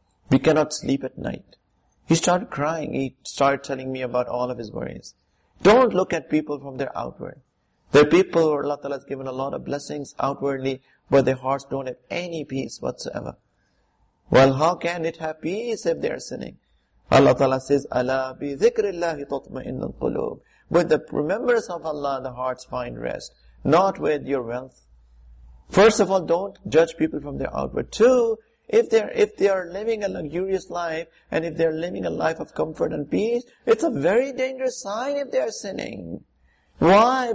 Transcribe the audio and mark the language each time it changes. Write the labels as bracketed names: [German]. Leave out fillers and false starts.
[English] We cannot sleep at night. He started crying. He started telling me about all of his worries. Don't look at people from their outward. There are people who Allah Ta'ala has given a lot of blessings outwardly, but their hearts don't have any peace whatsoever. Well, how can it have peace if they are sinning? Allah Ta'ala says, [Arabic] أَلَّا بِذِكْرِ اللَّهِ تَطْمَئِنُ الْقُلُوبِ. [English] With the remembrance of Allah, the hearts find rest, not with your wealth. First of all, don't judge people from their outward. Two, If they are living a luxurious life, and if they are living a life of comfort and peace, it's a very dangerous sign if they are sinning. Why?